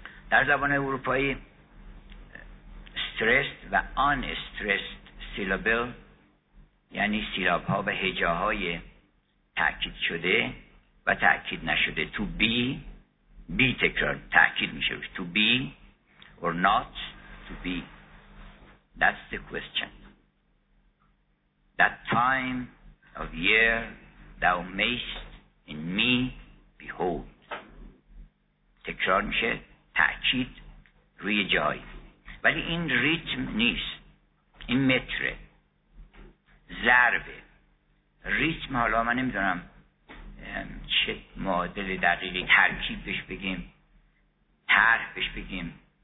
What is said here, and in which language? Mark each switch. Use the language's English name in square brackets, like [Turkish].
[Persian] در زبان اروپایی استرس و آن استرس سیلابل یعنی سیلاب ها و هجاهای تأکید شده و تأکید نشده. تو بی تکرار تأکید میشه روش، تو بی [English] or not to be, that's the question. That time of year thou mayst in me behold. [Persian] تکرار میشه، تأکید روی جای. ولی این ریتم نیست، این متره، ضربه. ریتم حالا من نمیدونم چه معادل دقیقی، ترکیب بهش بگیم، طرح بهش بگیم.